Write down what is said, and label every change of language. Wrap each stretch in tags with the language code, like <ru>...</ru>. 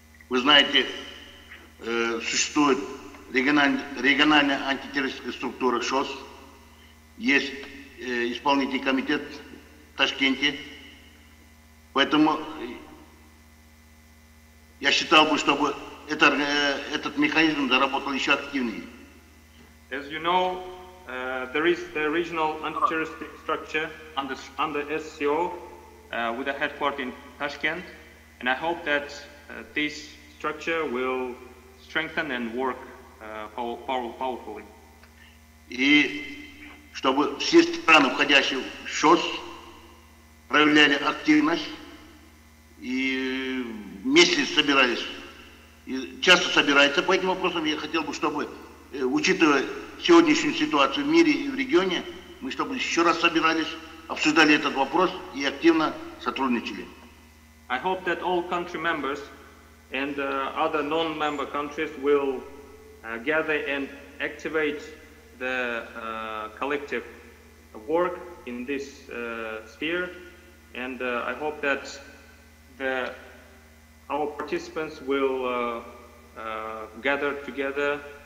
<ru>Вы знаете, существует региональная антитеррористическая структура ШОС, есть исполнительный комитет в Ташкенте, поэтому я считал бы, чтобы этот механизм заработал еще активнее.</ru> <en>As you know, there is the regional anti-terroristic structure under SCO with a headquarters in Tashkent, and I hope that this structure will strengthen and work powerfully.</en> <ru>И чтобы все страны, входящие в ШОС, проявляли активность и вместе собирались, часто собираются по этим вопросам. Я хотел бы, чтобы, учитывая сегодняшнюю ситуацию в мире и в регионе, мы чтобы еще раз собирались, обсуждали этот вопрос и активно сотрудничали.</ru> <en>I hope that all country members and other non-member countries will gather and activate the collective work in this sphere, and I hope that the our participants will gather together</en>